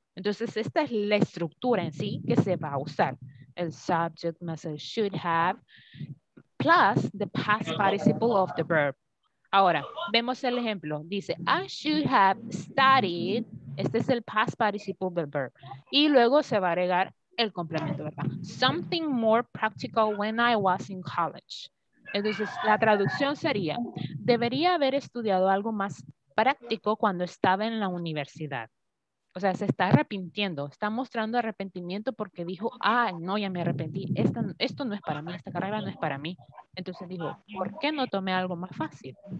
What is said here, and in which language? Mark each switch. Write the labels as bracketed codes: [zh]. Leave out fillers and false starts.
[es] Entonces esta es la estructura en sí que se va a usar. El subject más el should have, [en] plus the past participle of the verb. [es] Ahora, vemos el ejemplo. Dice, [en] I should have studied. [es] Este es el [en] past participle del verb. [es] Y luego se va a agregar el complemento, ¿verdad? [en] Something more practical when I was in college. [es] Entonces, la traducción sería, debería haber estudiado algo más práctico cuando estaba en la universidad. O sea, se está arrepintiendo, está mostrando arrepentimiento porque dijo, ay, no, ya me arrepentí, esto no es para mí, esta carrera no es para mí. Entonces dijo, ¿por qué no tomé algo más fácil?